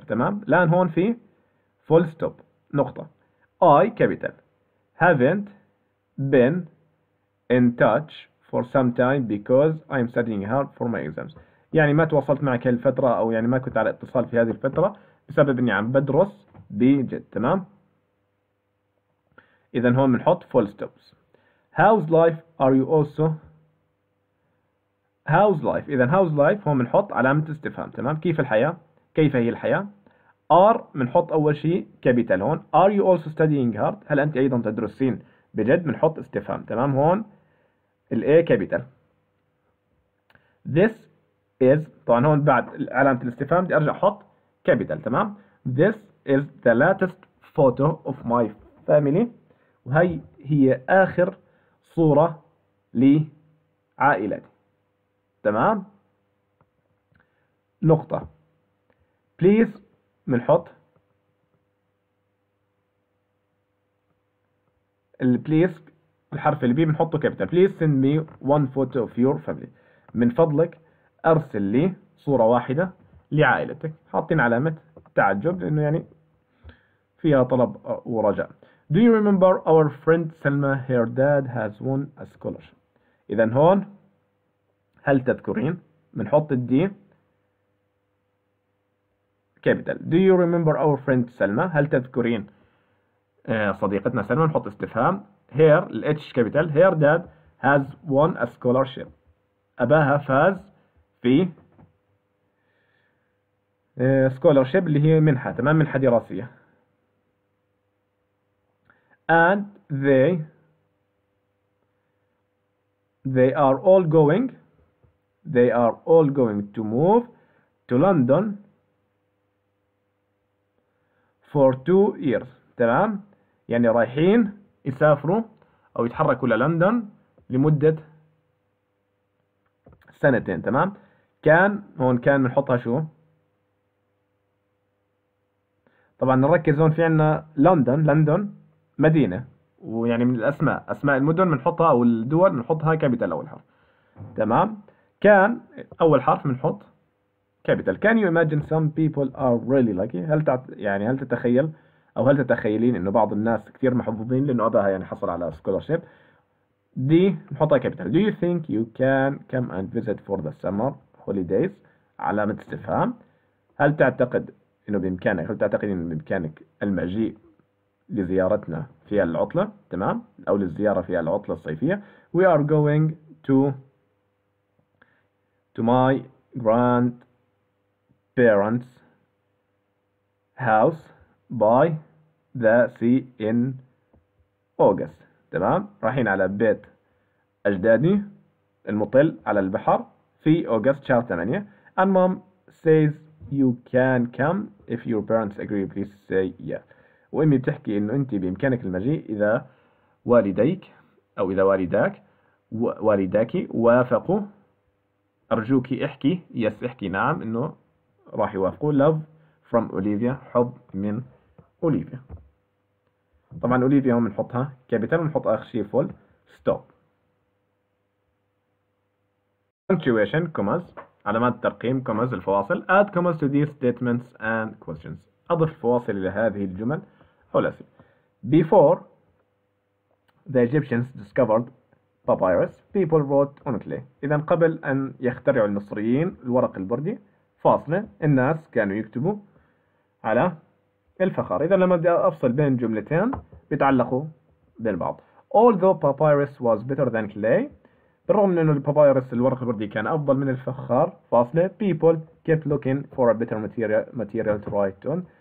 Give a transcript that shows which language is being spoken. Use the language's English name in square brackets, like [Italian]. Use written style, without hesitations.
[Arabic] تمام، الآن هون في full stop نقطة، [English] I capital haven't been in touch for some time because I'm studying hard for my exams، [Arabic] يعني ما تواصلت معك هالفترة، أو يعني ما كنت على اتصال في هذه الفترة بسبب أني عم بدرس بجد. تمام، إذا هون بنحط full stops. [English] how's life are you also how's life، إذا how's life [Arabic] هون بنحط علامة استفهام. تمام، كيف الحياة، كيف هي الحياة. are بنحط أول شيء capital هون. [English] are you also studying hard، [Arabic] هل أنت أيضا تدرسين بجد، بنحط استفهام. تمام، هون الـ A capital. [English] this is، [Arabic] طبعا هون بعد علامة الاستفهام دي أرجع أحط capital. [English] تمام، this is the latest photo of my family، [Arabic] وهي هي آخر صورة لعائلتي. تمام، نقطة، please بنحط ال please الحرف اللي بي بنحطه كابيتال. [English] please send me one photo of your family، [Arabic] من فضلك ارسل لي صورة واحدة لعائلتك، حاطين علامة تعجب لأنه يعني فيها طلب ورجاء. [English] do you remember our friend Selma her dad has won a scholarship، [Arabic] إذا هون هل تذكرين، بنحط الدي كابيتال. [English] do you remember our friend [Arabic] سلمى، هل تذكرين صديقتنا سلمى، نحط استفهام. هير الاتش كابيتال، [English] her dad has won a scholarship, [Arabic] اباها فاز في سكولارشيب اللي هي منحه. تمام، منحه دراسيه. [English] and they are all going they are all going to move to London for 2 years. [Arabic] تمام؟ يعني رايحين يسافروا أو يتحركوا لندن لمدة سنتين. تمام؟ كان هون كان نحطها شو؟ طبعا نركز هون في عنا لندن، لندن مدينة، ويعني من الأسماء، أسماء المدن بنحطها أو الدول بنحطها كابيتال أول حرف. تمام؟ كان أول حرف بنحط كابيتال. [English] Can you imagine some people are really lucky؟ [Arabic] هل يعني هل تتخيل أو هل تتخيلين إنه بعض الناس كثير محظوظين لأنه أباها يعني حصل على scholarship؟ دي نحطها كابيتال. [English] Do you think you can come and visit for the summer holidays؟ [Arabic] علامة استفهام. هل تعتقد إنه بإمكانك، هل تعتقدين إنه بإمكانك المجيء لزيارتنا في العطلة؟ تمام؟ أو للزيارة في العطلة الصيفية. [English] We are going to my grandparents' house by the sea in August. [Arabic] تمام؟ رايحين على بيت أجدادي المطل على البحر في أوغست شهر 8. [English] And mom says you can come if your parents agree, please say yes. [Arabic] وأمي بتحكي إنه أنت بإمكانك المجيء إذا والديك أو إذا والداك والداكي وافقوا. أرجوك احكي يس، احكي نعم إنه راح يوافقوا. [English] Love from Olivia، [Arabic] حب من أوليفيا. طبعا أوليفيا هم نحطها كابيتال ونحط آخر شيء فول ستوب. Punctuation commas، علامات الترقيم commas الفواصل. [English] Add commas to these statements and questions، [Arabic] أضف الفواصل إلى هذه الجمل. [English] Before the Egyptians discovered papyrus, people wrote on clay. [Arabic] إذن قبل أن يخترعوا المصريين الورق البردي، فاصلة، الناس كانوا يكتبوا على الفخار. إذن لما بدي أفصل بين جملتين بيتعلقوا بالبعض. [English] Although papyrus was better than clay، [Arabic] بالرغم من أن البابايروس الورق البردي كان أفضل من الفخار، فاصلة، [English] people kept looking for a better material to write on.